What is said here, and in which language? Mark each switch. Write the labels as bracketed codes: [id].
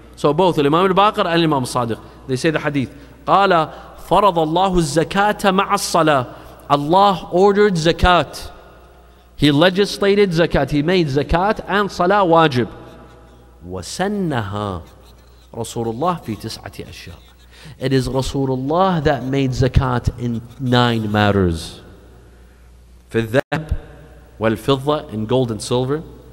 [en] So both الإمام الباقر and الإمام الصادق. They say the hadith. [ar] قال فرض الله الزكاة مع الصلاة. [en] Allah ordered zakat. He legislated zakat. He made zakat and salah wajib. [ar] وسنها رسول الله في تسعة أشياء. [en] It is Rasulullah that made zakat in 9 matters. [ar] في الذهب والفضة [en] in gold and silver.